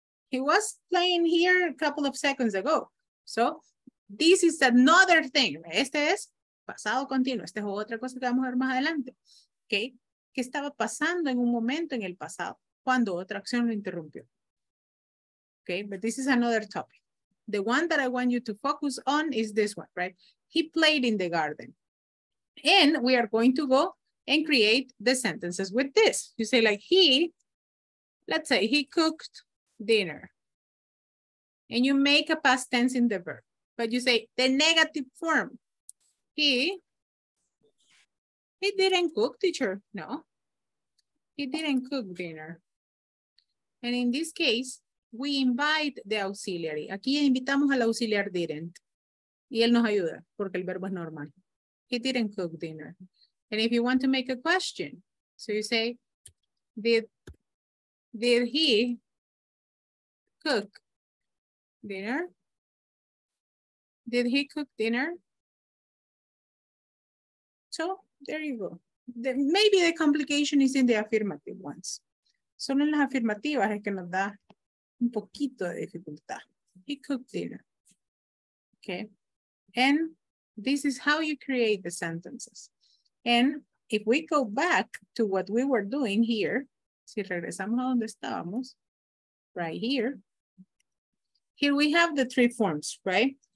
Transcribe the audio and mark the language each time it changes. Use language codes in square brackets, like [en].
[en] He was playing here a couple of seconds ago. So, this is another thing. [es] Este es pasado continuo. Este es otra cosa que vamos a ver más adelante. Okay. ¿Qué estaba pasando en un momento en el pasado? Cuando otra acción lo interrumpió. [en] Okay, but this is another topic. The one that I want you to focus on is this one, right? He played in the garden. And we are going to go and create the sentences with this. You say like he, let's say he cooked dinner. And you make a past tense in the verb. But you say the negative form. He didn't cook, teacher. No. He didn't cook dinner. And in this case, we invite the auxiliary. [es] Aquí invitamos al auxiliar didn't. Y él nos ayuda porque el verbo es normal. [en] He didn't cook dinner. And if you want to make a question, so you say, did he cook dinner? Did he cook dinner? So there you go. Maybe the complication is in the affirmative ones. [es] Solo en las afirmativas es que nos da un poquito de dificultad. [en] He cooked dinner. Okay. And this is how you create the sentences. And if we go back to what we were doing here, [es] si regresamos a donde estábamos, [en] right here, here we have the three forms, right?